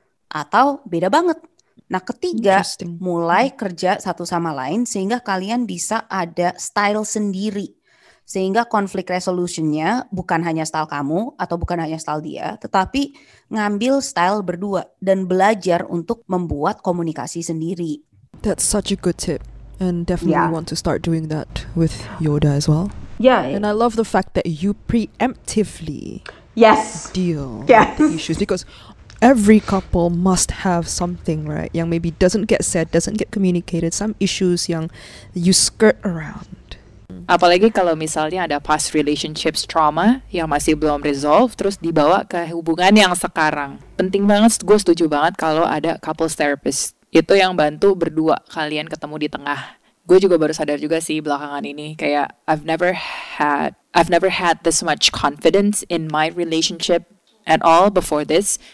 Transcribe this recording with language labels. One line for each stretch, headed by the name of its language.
Indonesian: Atau beda banget? Nah ketiga, mulai kerja satu sama lain sehingga kalian bisa ada style sendiri. Sehingga konflik resolutionnya bukan hanya style kamu atau bukan hanya style dia, tetapi ngambil style berdua dan belajar untuk membuat komunikasi sendiri.
English: That's such a good tip. And definitely want to start doing that with Yoda as well. Yeah. And I love the fact that you preemptively deal with the issues. Because every couple must have something, right? Yang maybe doesn't get said, doesn't get communicated, some issues yang you skirt around.
Indonesian: Apalagi kalau misalnya ada
English: past relationships trauma
Indonesian: yang masih belum resolve, terus dibawa ke hubungan yang sekarang. Penting banget, gue setuju banget kalau ada couples therapist. Itu yang bantu berdua kalian ketemu di tengah. Gue juga baru sadar juga sih belakangan ini, kayak
English: I've never had this much confidence in my relationship at all before this.